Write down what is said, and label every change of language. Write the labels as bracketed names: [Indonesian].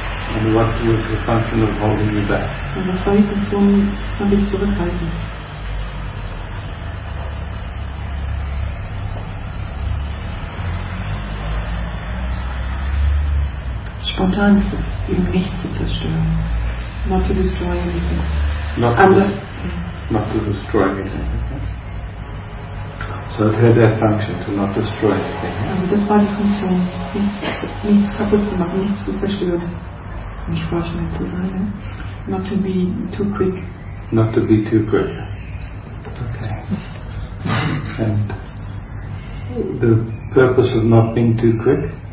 [English] And what was the function of holding you back? [German] Und was war die Funktion von dich zurückhalten? Spontan ist es, eben nicht zu zerstören. [English] Not to destroy anything. Not to destroy anything. So it had that function, to not destroy anything. [German] Also das war die Funktion, nichts kaputt zu machen, nichts zu zerstören. Nicht vorschnell zu sein. [English] Not to be too quick. Okay. And the purpose of not being too quick.